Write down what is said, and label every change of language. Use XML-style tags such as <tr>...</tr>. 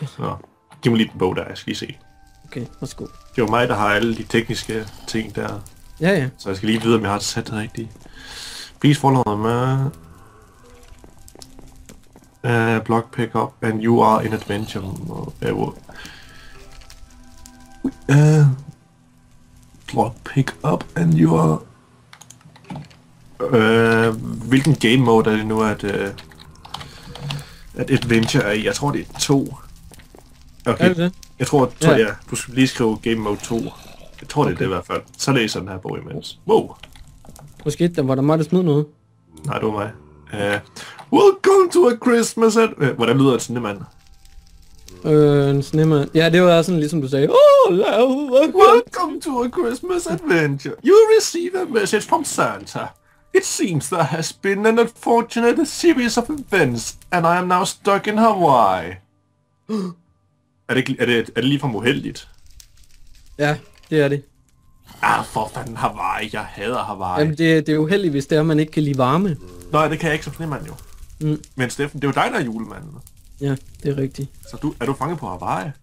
<da>Nå, giv mig lige den bog der, jeg skal lige se. Okay, værsgo. Det var mig, der har alle de tekniske ting der. Ja, ja. Så jeg skal lige vide, om jeg har sat det rigtigt.</da> <en>Please follow them. Block pick up and you are in adventure mode. Block pick up and you are...</en> <da>hvilken game mode er det nu, at... at adventure er i? Jeg tror, det er 2. Okay. Er det det? Jeg tror, ja. Du skal lige skrive game mode 2. Jeg tror, det er det i hvert fald. Så læser jeg den her bog imens.</da> <en>Wow!</en> <da>Hvad skete der? Var der mig, der smidte noget? Nej, det var mig.</da> <en>Welcome to a Christmas at...</en> <da>hvordan lyder en snemand? En snemand... Ja, det var sådan ligesom du sagde.</da> <en>Oh, welcome to a Christmas adventure. You receive a message from Santa. It seems there has been an unfortunate series of events, and I am now stuck in Hawaii.</en> <da>Er det ligefrem uheldigt? Ja, det er det. Ah, for fanden Hawaii. Jeg hader Hawaii. Jamen, det er uheldigt, hvis det er, man ikke kan lide varme. Nej, det kan jeg ikke som snemand jo. Mm. Men Steffen, det er jo dig, der er julemanden. Ja, det er rigtigt. Så er du fanget på Hawaii?</da>